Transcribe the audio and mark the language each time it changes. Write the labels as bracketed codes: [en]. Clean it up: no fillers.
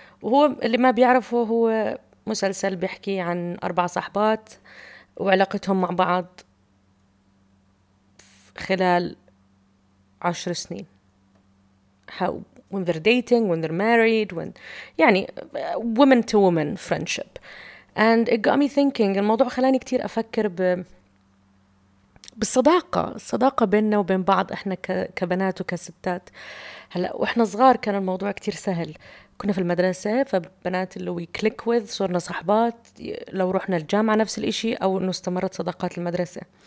[ar] وهو اللي ما بيعرفه هو مسلسل بيحكي عن أربع صحبات وعلاقتهم مع بعض خلال 10 سنين. [en] How when they're dating, when they're married, when يعني woman to woman friendship. And it got me thinking. [ar] الموضوع خلاني كتير أفكر بالصداقة، الصداقة بيننا وبين بعض إحنا كبنات وكستات. هلا وإحنا صغار كان الموضوع كتير سهل، كنا في المدرسة فبنات اللي [en] we click with [ar] صرنا صحبات، لو رحنا الجامعة نفس الإشي أو إنه استمرت صداقات المدرسة.